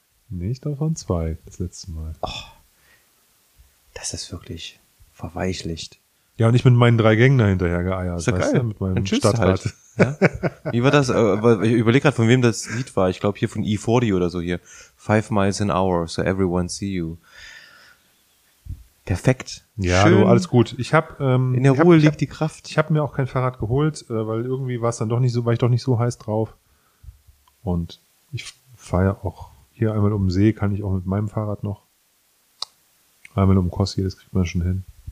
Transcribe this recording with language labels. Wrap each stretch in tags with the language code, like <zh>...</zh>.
<de>Nicht davon zwei, das letzte Mal. Oh, das ist wirklich verweichlicht. Ja, und ich mit meinen drei Gängen dahinterher geeiert. Ist ja geil. Mit meinem Stadtrat. Halt. Ja? Wie war das? Ich überlege gerade, von wem das Lied war. Ich glaube, hier von E40 oder so hier.</de> <en>5 miles an hour, so everyone see you.</en> <de>Perfekt. Ja, schön. Du, alles gut. Ich habe in der Ruhe liegt die Kraft. Ich habe mir auch kein Fahrrad geholt, weil irgendwie war es dann doch nicht so, war ich doch nicht so heiß drauf. Und ich fahre auch hier einmal um den See, kann ich auch mit meinem Fahrrad noch. Einmal um Kossi, das kriegt man schon hin.</de>